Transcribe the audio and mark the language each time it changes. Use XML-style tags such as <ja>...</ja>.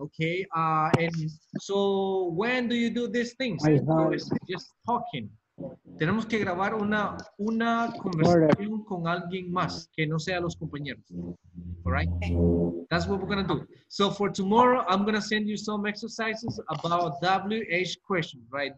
<en>Okay, and so when do you do these things? Just talking.</en> <es>Tenemos que grabar una conversación con alguien más que no sea los compañeros.</es> <en>All right, that's what we're gonna do. So for tomorrow, I'm gonna send you some exercises about WH questions, right?</en>